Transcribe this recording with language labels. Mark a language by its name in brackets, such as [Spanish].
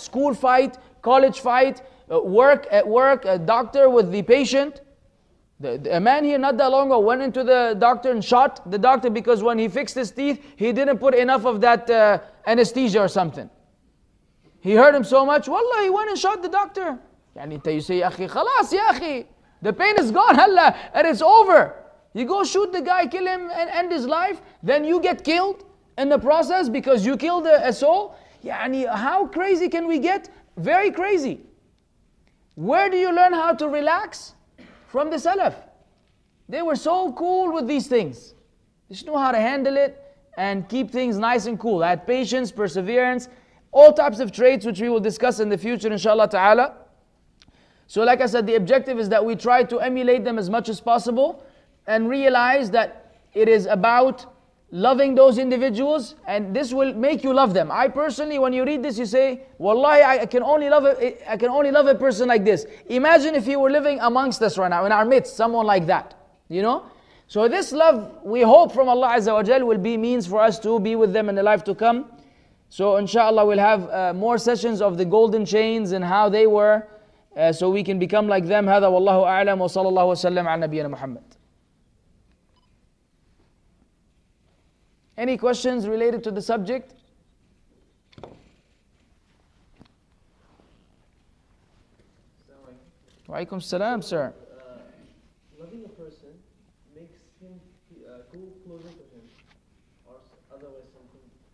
[English] School fight, college fight, work at work, a doctor with the patient. A man here not that long ago went into the doctor and shot the doctor because when he fixed his teeth, he didn't put enough of that anesthesia or something. He hurt him so much, wallah, he went and showed the doctor. [Arabic] يعني انت [English] you say [Arabic] يا اخي خلاص يا اخي. [English] The pain is gone, hala, and it's over. You go shoot the guy, kill him, and end his life. Then you get killed in the process because you killed a soul. يعني how crazy can we get? Very crazy. Where do you learn how to relax? From the Salaf. They were so cool with these things. They just know how to handle it and keep things nice and cool. They had patience, perseverance, all types of traits which we will discuss in the future, inshallah ta'ala. So like I said, the objective is that we try to emulate them as much as possible and realize that it is about loving those individuals, and this will make you love them. I personally, when you read this, you say, wallahi, I can only love a person like this. Imagine if he were living amongst us right now, in our midst, someone like that. You know? So this love, we hope from Allah Azza wa Jal, will be means for us to be with them in the life to come. So inshallah, we'll have more sessions of the golden chains and how they were, so we can become like them. [Arabic] هذا والله أعلم وصلى الله وسلم على نبينا محمد. [English] Any questions related to the subject? Waalaikum salam, sir. Loving a person makes him go closer to him, or otherwise something.